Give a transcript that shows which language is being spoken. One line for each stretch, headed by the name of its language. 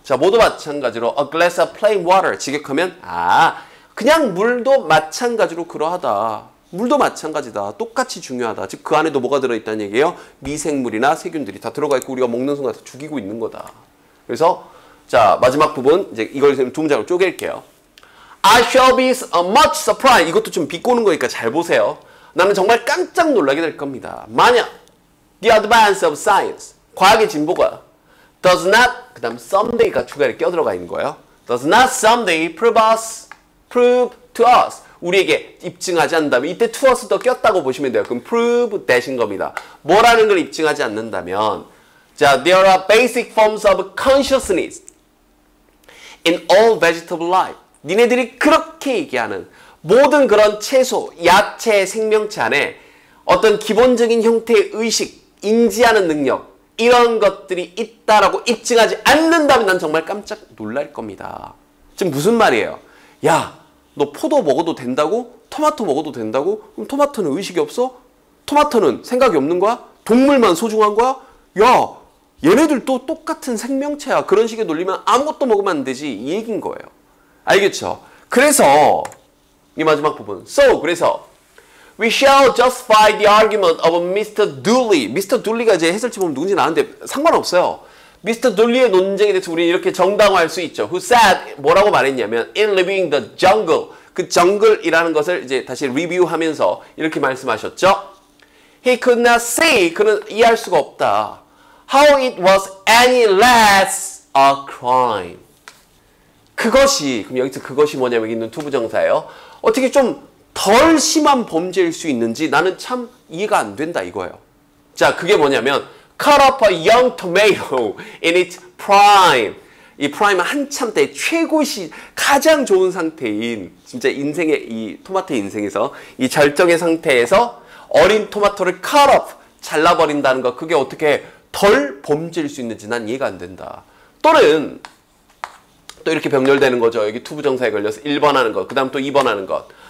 Korean: 자, 모두 마찬가지로
English: a glass of plain water
Korean: 직역하면 아, 그냥 물도 마찬가지로 그러하다. 물도 마찬가지다. 똑같이 중요하다. 즉 그 안에도 뭐가 들어있다는 얘기예요? 미생물이나 세균들이 다 들어가 있고 우리가 먹는 순간 다 죽이고 있는 거다. 그래서 자, 마지막 부분 이제 이걸 두 문장으로 쪼갤게요.
English: I shall be much surprised.
Korean: 이것도 좀 비꼬는 거니까 잘 보세요. 나는 정말 깜짝 놀라게 될 겁니다. 만약
English: the advance of science,
Korean: 과학의 진보가 does not, 그 다음 someday가 추가에 껴들어가 있는 거예요.
English: Does not someday prove us, prove to us.
Korean: 우리에게 입증하지 않는다면 이때 to us 더 꼈다고 보시면 돼요. 그럼 prove that인 겁니다. 뭐라는 걸 입증하지 않는다면
English: 자, there are basic forms of consciousness in all vegetable life.
Korean: 니네들이 그렇게 얘기하는 모든 그런 채소, 야채, 생명체 안에 어떤 기본적인 형태의 의식, 인지하는 능력 이런 것들이 있다라고 입증하지 않는다면 난 정말 깜짝 놀랄 겁니다. 지금 무슨 말이에요? 야, 너 포도 먹어도 된다고? 토마토 먹어도 된다고? 그럼 토마토는 의식이 없어? 토마토는 생각이 없는 거야? 동물만 소중한 거야? 야, 얘네들도 똑같은 생명체야. 그런 식의 논리면 아무것도 먹으면 안 되지. 이 얘기인 거예요. 알겠죠? 그래서 이 마지막 부분.
English: So,
Korean: 그래서
English: We shall justify the argument of Mr. Dooley. Mr.
Korean: Dooley가 이제 해설지 보면 누군지는 아는데 상관없어요.
English: Mr.
Korean: Dooley의 논쟁에 대해서 우리는 이렇게 정당화할 수 있죠.
English: Who said,
Korean: 뭐라고 말했냐면
English: In living the jungle.
Korean: 그 정글이라는 것을 이제 다시 리뷰하면서 이렇게 말씀하셨죠.
English: He could not see.
Korean: 그는 이해할 수가 없다.
English: How it was any less a crime.
Korean: 그것이, 그럼 여기서 그것이 뭐냐면 여기 있는 투부정사예요. 어떻게 좀 덜 심한 범죄일 수 있는지 나는 참 이해가 안 된다 이거예요.
English: 자,
Korean: 그게 뭐냐면
English: cut up a young tomato in its prime.
Korean: 이 prime은 한참 때 최고시 가장 좋은 상태인 진짜 인생의 이 토마토 인생에서 이 절정의 상태에서 어린 토마토를
English: cut up,
Korean: 잘라버린다는 것 그게 어떻게 덜 범죄일 수 있는지 난 이해가 안 된다. 또는 또 이렇게 병렬되는 거죠. 여기 투부정사에 걸려서 1번 하는 것, 그 다음 또 2번 하는 것.